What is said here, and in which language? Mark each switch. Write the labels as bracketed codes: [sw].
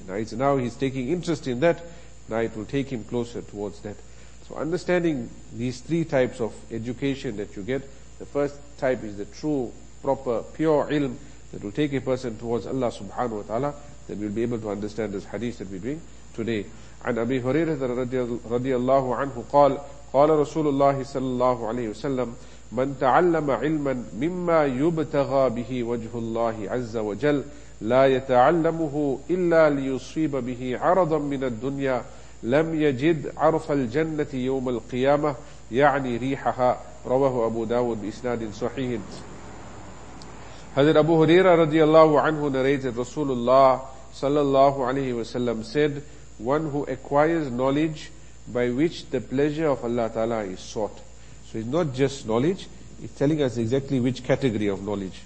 [en] Now he's taking interest in that. Now it will take him closer towards that. So understanding these three types of education that you get, the first type is the true, proper, pure ilm that will take a person towards Allah subhanahu wa ta'ala, then we'll be able to understand this hadith that we're doing today. [ar] عن أبي هريرة رضي الله عنه قال قال رسول الله صلى الله عليه وسلم من تعلم علما مما يبتغى به وجه الله عز وجل لا يتعلمه إلا ليصيب به عرضا من الدنيا لم يجد عرف الجنة يوم القيامة يعني ريحها رواه أبو داود بإسناد صحيح. حضرت أبو هريرة رضي الله عنه [en] narrated [ar] رسول الله صلى الله عليه وسلم [en] said, one who acquires knowledge by which the pleasure of Allah Ta'ala is sought. So it's not just knowledge, it's telling us exactly which category of knowledge.